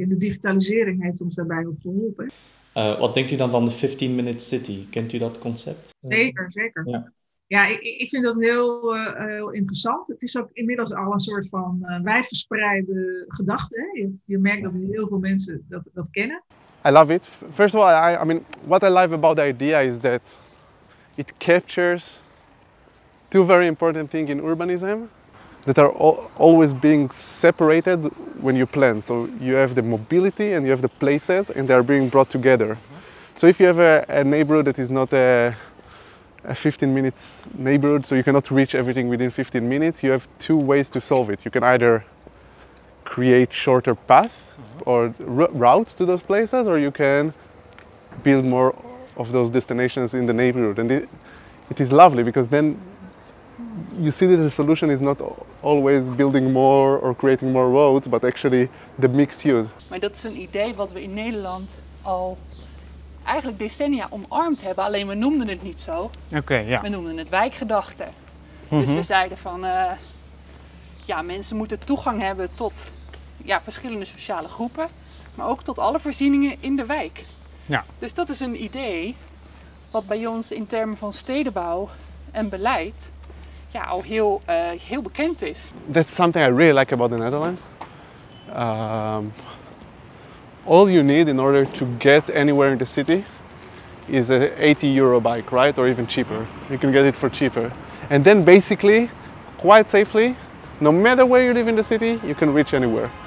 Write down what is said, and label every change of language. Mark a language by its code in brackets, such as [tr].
[nl] En de digitalisering heeft ons daarbij ook geholpen. Wat denkt u dan van de 15-minute city? Kent u dat concept? Zeker, zeker. Ja, ja, ik vind dat heel interessant. Het is ook inmiddels al een soort van wijdverspreide gedachte. Hè? Je merkt dat heel veel mensen dat kennen. [en] I love it. First of all, I mean, what I love about the idea is that it captures two very important things in urbanism that are always being separated when you plan. So you have the mobility and you have the places, and they are being brought together. So if you have a neighborhood that is not a 15 minutes neighborhood, so you cannot reach everything within 15 minutes, you have two ways to solve it. You can either create shorter path or route to those places, or you can build more of those destinations in the neighborhood. And it is lovely because then you see that the solution is not always building more or creating more roads, but actually the mixed use. [nl] Maar dat is een idee wat we in Nederland al eigenlijk decennia omarmd hebben, alleen we noemden het niet zo. [en] Okay, yeah. [nl] We noemden het wijkgedachte. Mm-hmm. Dus we zeiden van mensen moeten toegang hebben tot verschillende sociale groepen, maar ook tot alle voorzieningen in de wijk. Ja. Dus dat is een idee wat bij ons in termen van stedenbouw en beleid al heel bekend is. [en] That's something I really like about the Netherlands. All you need in order to get anywhere in the city is a 80 euro bike, right? Or even cheaper. You can get it for cheaper. And then basically, quite safely, no matter where you live in the city, you can reach anywhere.